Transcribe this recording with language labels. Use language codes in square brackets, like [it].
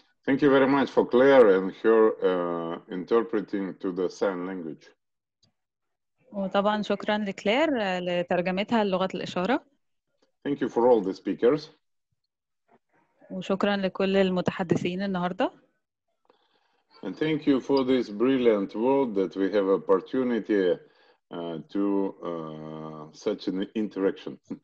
[en] Thank you very much for Claire and her interpreting to the sign language. [ar] وطبعا شكرا لكلير لترجمتها للغه الاشاره. [en] Thank you for all the speakers. [ar] وشكرا لكل المتحدثين النهارده. [en] And thank you for this brilliant world that we have opportunity to such an interaction.